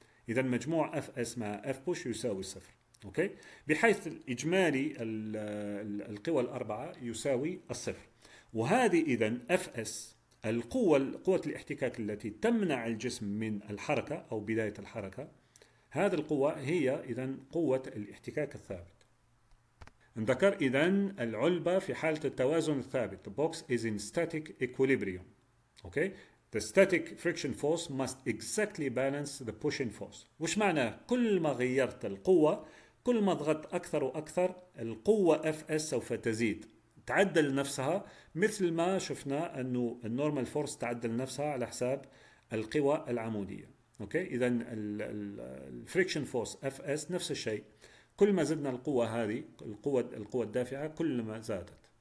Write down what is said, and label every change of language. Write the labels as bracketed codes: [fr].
[ar] إذن مجموع Fs مع F push يساوي صفر. أوكي؟ بحيث إجمالي القوى الأربعة يساوي الصفر. وهذه إذن Fs قوة الاحتكاك التي تمنع الجسم من الحركة أو بداية الحركة، هذه القوة هي إذن قوة الاحتكاك الثابت. نذكر إذن العلبة في حالة التوازن الثابت. [en] The box is in static equilibrium. Okay. The static friction force must exactly balance the pushing force. [ar] وش معنى؟ كل ما غيرت القوة، كل ما ضغطت أكثر وأكثر، القوة Fs سوف تزيد. تعدل نفسها مثل ما شفنا أنه النورمال فورس تعدل نفسها على حساب القوى العمودية. أوكي؟ إذن الفريكشن فورس Fs نفس الشيء، كل ما زدنا القوة هذه القوة الدافعة كل ما زادت.